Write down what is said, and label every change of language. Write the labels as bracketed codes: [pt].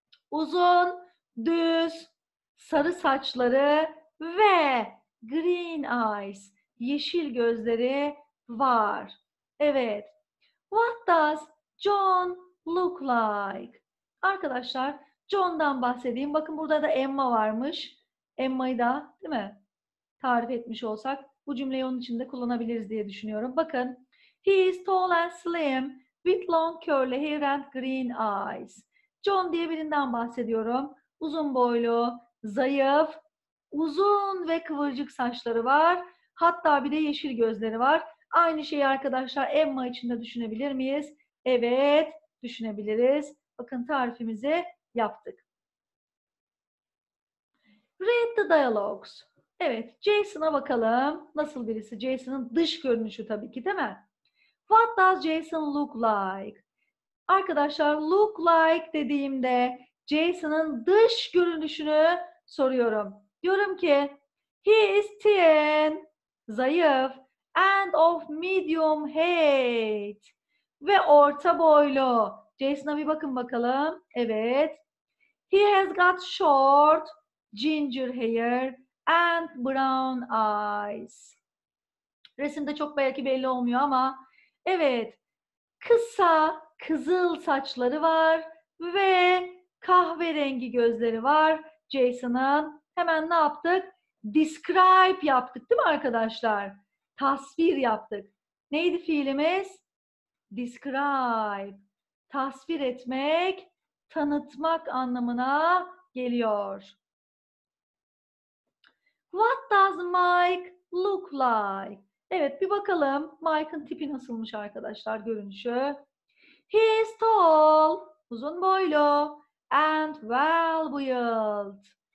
[tr] Uzun, düz, sarı saçları ve [en] green eyes, [tr] yeşil gözleri var. [en] Evet. What does John look like? [tr] Arkadaşlar, John'dan bahsedeyim. Bakın burada da Emma varmış. Emma'yı da, değil mi? Tarif etmiş olsak bu cümleyi onun için de kullanabiliriz diye düşünüyorum. Bakın. [en] He is tall and slim with long curly hair and green eyes. [tr] John diye birinden bahsediyorum. Uzun boylu, zayıf, uzun ve kıvırcık saçları var. Hatta bir de yeşil gözleri var. Aynı şeyi arkadaşlar Emma için de düşünebilir miyiz? Evet, düşünebiliriz. Bakın tarifimizi yaptık. [en] Read the dialogues. [tr] Evet, Jason'a bakalım. Nasıl birisi? Jason'ın dış görünüşü tabii ki, değil mi? [en] What does Jason look like? [tr] Arkadaşlar, look like dediğimde Jason'ın dış görünüşünü soruyorum. Diyorum ki, [en] he is thin, zayıf, and of medium height. [tr] Ve orta boylu. Jason'a bir bakın bakalım. Evet. [en] He has got short ginger hair and brown eyes. [tr] Resimde çok belki belli olmuyor ama. Evet. Kısa kızıl saçları var. Ve kahverengi gözleri var Jason'ın. Hemen ne yaptık? Describe yaptık değil mi arkadaşlar? Tasvir yaptık. Neydi fiilimiz? Describe. Tasvir etmek, tanıtmak anlamına geliyor. [en] What does Mike look like? [tr] Evet, bir bakalım Mike'ın tipi nasılmış arkadaşlar, görünüşü. [en] He is tall, [tr] uzun boylu [en] and well built.